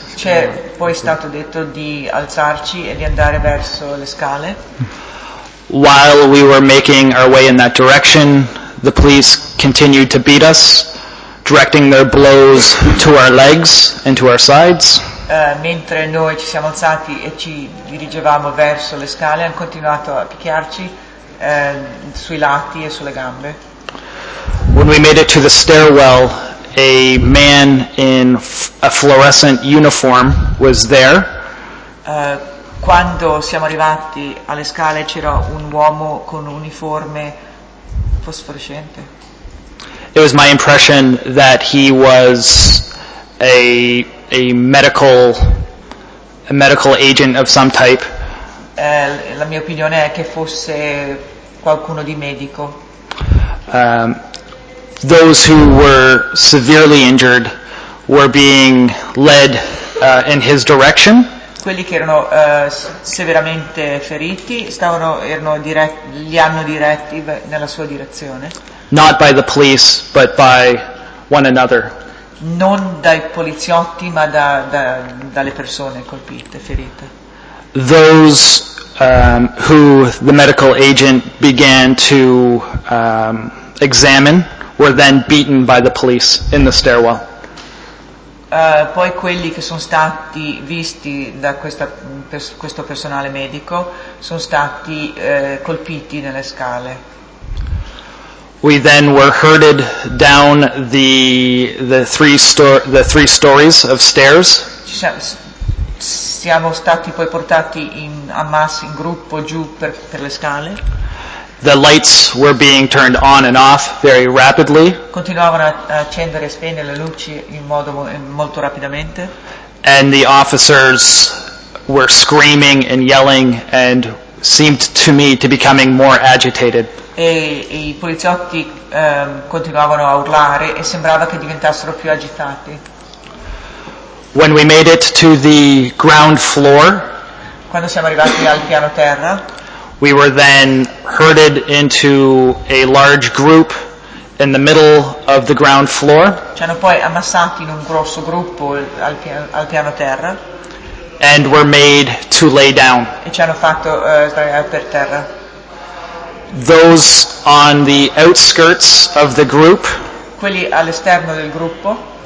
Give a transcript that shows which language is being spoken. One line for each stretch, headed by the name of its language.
Italian: C'è poi stato detto di alzarci e di andare verso le scale.
English: While we were making our way in that direction, the police continued to beat us, directing their blows to our legs and to our sides.
Italian: Mentre noi ci siamo alzati e ci dirigevamo verso le scale, hanno continuato a picchiarci sui lati e sulle gambe.
English: When we made it to the stairwell, a man in a fluorescent uniform was there.
Italian: Quando siamo arrivati alle scale, c'era un uomo con un uniforme fosforescente.
English: It was my impression that he was a medical agent of some type.
Italian: La mia opinione è che fosse qualcuno di medico.
English: Those who were severely injured were being led in his direction.
Italian: Quelli che erano severamente feriti li hanno diretti nella sua direzione.
English: Not by the police, but by one another.
Italian: Non dai poliziotti, ma dalle persone colpite, ferite.
English: Those who the medical agent began to examine were then beaten by the police in the stairwell.
Italian: Poi quelli che sono stati visti da questo personale medico sono stati colpiti nelle scale.
English: We then were herded down the three stories of stairs.
Italian: Siamo stati poi portati in ammasso in gruppo giù per le scale.
English: The lights were being turned on and off very rapidly.
Italian: Continuavano a accendere e spegnere le luci in modo molto rapidamente.
English: And the officers were screaming and yelling and seemed to me to becoming more agitated.
Italian: E i poliziotti continuavano a urlare e sembrava che diventassero più agitati.
English: When we made it to the ground floor,
Italian: quando siamo arrivati al piano terra,
English: we were then herded into a large group in the middle of the ground floor.
Italian: Ci hanno poi ammassati in un grosso gruppo al piano terra.
English: And were made to lay down.
Italian: E ci hanno fatto sdraiare per terra.
English: Those on the outskirts of the group,
Italian: quelli all'esterno del gruppo,